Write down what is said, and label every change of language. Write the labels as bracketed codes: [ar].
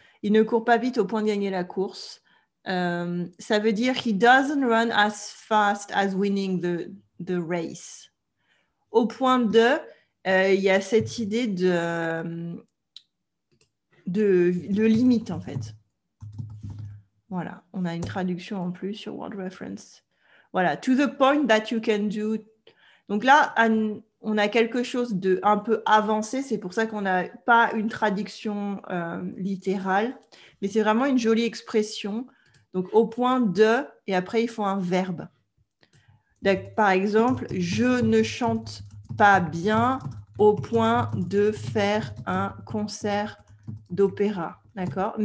[fr] Il ne court pas vite au point de gagner la course. Ça veut dire [en] he doesn't run as fast as winning the race. [fr] Au point de, il y a cette idée de limite en fait. Voilà, on a une traduction en plus sur World Reference. [en] Voilà, to the point that you can do. [fr] Donc là, on a quelque chose de un peu avancé. C'est pour ça qu'on n'a pas une traduction littérale, mais c'est vraiment une jolie expression. Donc au point de, et après il faut un verbe. Donc, par exemple, je ne chante pas bien au point de faire un concert d'opéra, d'accord?